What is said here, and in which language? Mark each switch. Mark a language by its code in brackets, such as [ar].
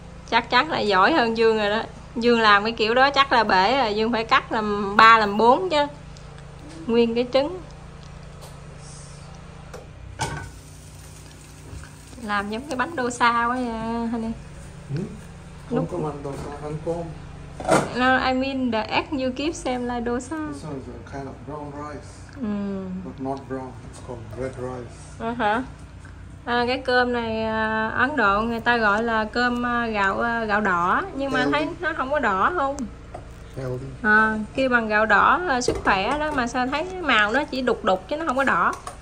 [vi] Chắc chắn là giỏi hơn Dương rồi đó. Dương làm cái kiểu đó chắc là bể rồi, Dương phải cắt làm 3 làm 4 chứ. Nguyên cái trứng. Làm giống cái bánh đô sa quá nha, honey. Không có bánh đô sa, ăn cơm. [en] No, I mean the egg you give same like dosa. This one is a kind of brown rice. But not brown, it's called red rice. [vi] À, cái cơm này Ấn Độ người ta gọi là cơm gạo gạo đỏ nhưng mà thấy nó không có đỏ không à, kêu bằng gạo đỏ sức khỏe đó mà sao thấy màu nó chỉ đục đục chứ nó không có đỏ.